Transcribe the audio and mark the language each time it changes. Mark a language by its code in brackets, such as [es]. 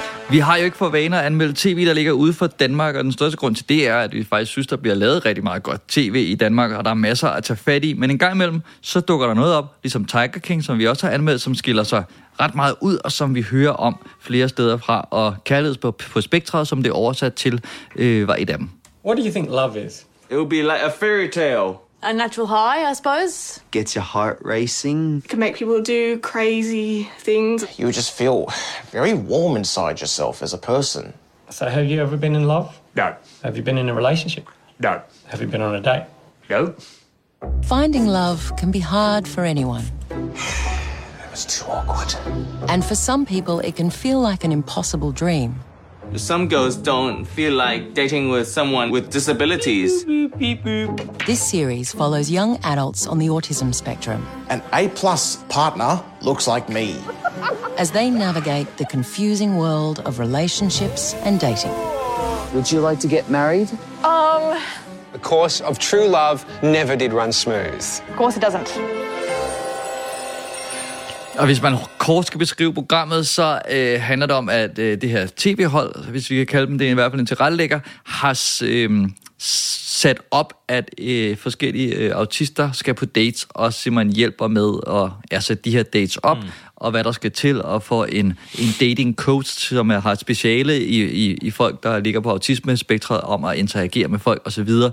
[da] Vi har jo ikke for vane at anmelde tv, der ligger ude for Danmark, og den største grund til det er, at vi faktisk synes, der bliver lavet rigtig meget godt tv i Danmark, og der er masser at tage fat i, men en gang imellem, så dukker der noget op, ligesom Tiger King, som vi også har anmeldt, som skiller sig ret meget ud, og som vi hører om flere steder fra, og Kærlighed på Spektret, som det oversat til, var et af dem. [en] What do you think love is? It would be like a fairy tale. A natural high, I suppose. Gets your heart racing. Can make people do crazy things. You just feel very warm inside yourself as a person. So have you ever been in love? No. Have you been in a relationship? No. Have you been on a date? No. Finding love can be hard for anyone. It was too awkward. And for some people, it can feel like an impossible dream. Some girls don't feel like dating with someone with disabilities. Beep, beep, beep, beep. This series follows young adults on the autism spectrum. An A-plus partner looks like me. As they navigate the confusing world of relationships and dating. Would you like to get married? The course of true love never did run smooth. Of course it doesn't. [da] Og hvis man kort skal beskrive programmet, så handler det om, at det her tv-hold, hvis vi kan kalde dem det, er i hvert fald en tilrettelægger, har sat op, at forskellige autister skal på dates, og simpelthen hjælper med at sætte de her dates op, og hvad der skal til, og få en dating coach, som har et speciale i folk, der ligger på autisme-spektret, om at interagere med folk osv.